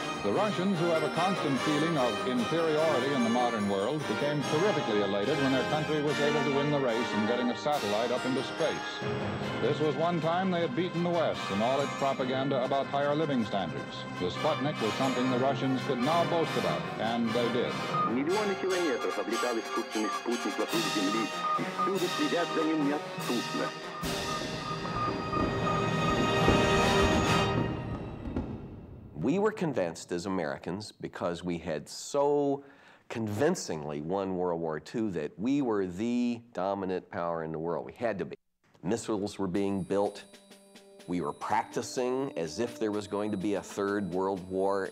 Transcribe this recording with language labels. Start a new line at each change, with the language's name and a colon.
English: The Russians, who have a constant feeling of inferiority in the modern world, became terrifically elated when their country was able to win the race in getting a satellite up into space. This was one time they had beaten the West in all its propaganda about higher living standards. The Sputnik was something the Russians could now boast about, and they did.
Russian: Миллионы километров облетал искусственный спутник вокруг Земли, и всюду следят за ним неотступно.
English: We were convinced as Americans, because we had so convincingly won World War II, that we were the dominant power in the world. We had to be. Missiles were being built. We were practicing as if there was going to be a third world war.